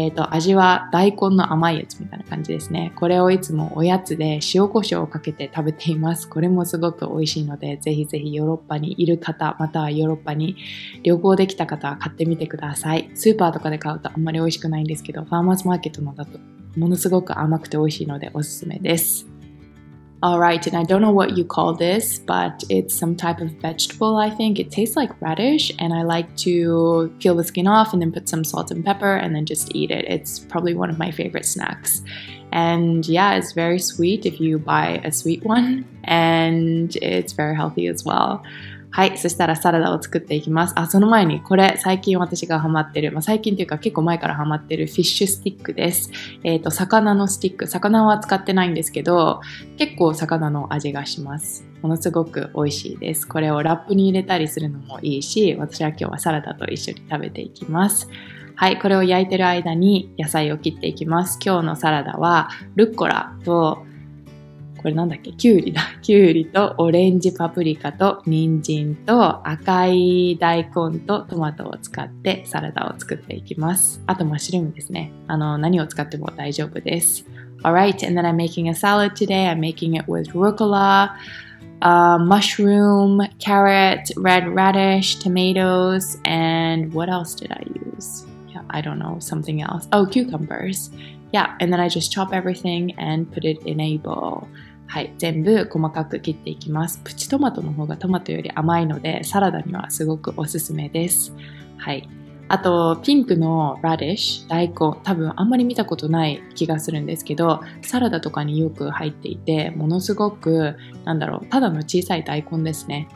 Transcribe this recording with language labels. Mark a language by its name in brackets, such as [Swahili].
[Japanese] 味は大根の甘いやつみたいな感じですね。これをいつもおやつで塩コショウをかけて食べています。これもすごく美味しいので、ぜひぜひヨーロッパにいる方、またはヨーロッパに旅行できた方は買ってみてください。スーパーとかで買うとあんまり美味しくないんですけど、ファーマーズマーケットのだと、ものすごく甘くて美味しいのでおすすめです。 [English] Alright, and I don't know what you call this, but it's some type of vegetable, I think. It tastes like radish, and I like to peel the skin off and then put some salt and pepper and then just eat it. It's probably one of my favorite snacks. And yeah, it's very sweet if you buy a sweet one, and it's very healthy as well. [Japanese] はい、そしたらサラダを作っていきます。あ、その前にこれ、最近私がハマってる、まあ、最近というか結構前からハマってるフィッシュスティックです。魚のスティック。魚は使ってないんですけど、結構魚の味がします。ものすごく美味しいです。これをラップに入れたりするのもいいし、私は今日はサラダと一緒に食べていきます。はい、これを焼いてる間に野菜を切っていきます。今日のサラダは、ルッコラと、これなんだっけ？キュウリだ。キュウリとオレンジパプリカと人参と赤い大根とトマトを使ってサラダを作っていきます。あとマッシュルームですね。何を使っても大丈夫です。 [English] Alright, and then I'm making a salad today. I'm making it with rucola, mushroom, carrot, red radish, tomatoes, and what else did I use? Yeah, I don't know, something else. Oh, cucumbers. Yeah, and then I just chop everything and put it in a bowl. [Japanese] はい、全部細かく切っていきます。プチトマトの方がトマトより甘いので、サラダにはすごくおすすめです。はい。あとピンクのラディッシュ、大根、多分あんまり見たことない気がするんですけど、サラダとかによく入っていて、ものすごく、なんだろう、ただの小さい大根ですね。